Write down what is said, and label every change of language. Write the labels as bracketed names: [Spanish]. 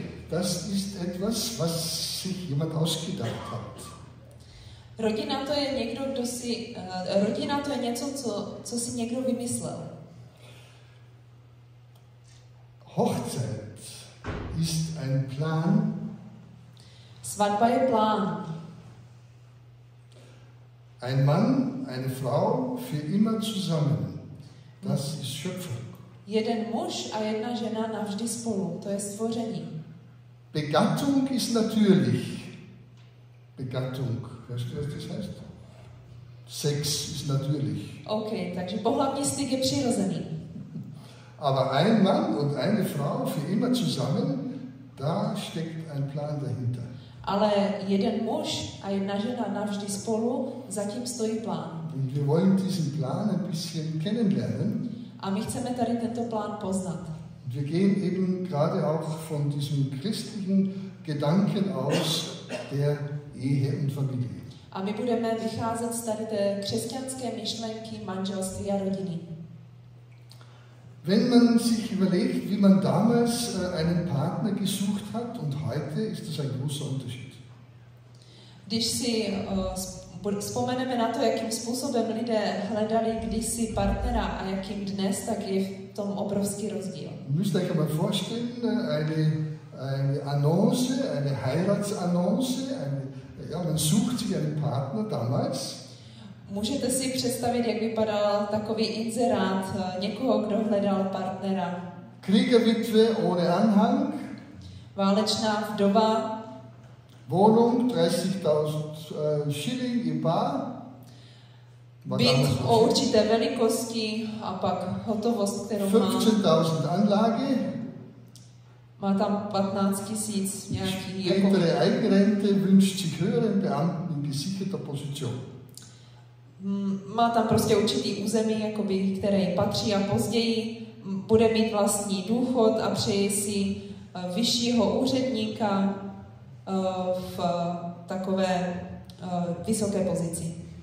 [German] Das ist etwas, was sich jemand ausgedacht hat. [Czech] Rodina to je někdo, kdo si rodina to je něco, co si někdo vymyslel. [German] Hochzeit ist ein Plan. [Czech] Svatba je plán. [German] Ein Mann, eine Frau für immer zusammen. Das ist Schöpfung. [Czech] Jeden muž a jedna žena navždy spolu, to je stvoření. [German] Begattung ist natürlich. Begattung, weißt du, was das heißt? Sex ist natürlich. [Czech] Okay, takže pohlavní styk je přirozený. [German] Aber ein Mann und eine Frau für immer zusammen, da steckt ein Plan dahinter. [Czech] Ale jeden muž a jedna žena navždy spolu, zatím stojí plán. [German] Und wir wollen diesen Plan ein bisschen kennenlernen. [Czech] A my chceme tady tento plán poznat. [German] Wir gehen eben gerade auch von diesem christlichen Gedanken aus der Ehe und Familie. [Czech] A my budeme vycházet z tady té křesťanské myšlenky manželství a rodiny. [German] Wenn man sich überlegt, wie man damals einen Partner gesucht hat und heute, ist das ein großer Unterschied. [Czech] Když si vzpomeneme na to, jakým způsobem lidé hledali kdysi partnera a jakým dnes, tak je v tom obrovský rozdíl. [German] Müsst ihr euch mal vorstellen, eine Annonce, eine Heiratsannonce, man sucht sich einen Partner damals. [Czech] Můžete si představit, jak vypadal takový inzerát někoho, kdo hledal partnera. [German] Kriegerwitwe ohne Anhang. [Czech] Válečná vdova. [German] Wohnung 30.000 Schilling im Bar. [Czech] Byt o určité velikosti a pak hotovost, kterou má. [German] 15.000 Anlage. [Czech] Má tam 15.000 nějaký. [German] Spätere Eigenrente wünscht sich höheren Beamten in gesicherter Position. [Czech] Má tam prostě určitý území, jakoby, které patří a později bude mít vlastní důchod a přeje si vyššího úředníka v takové vysoké pozici.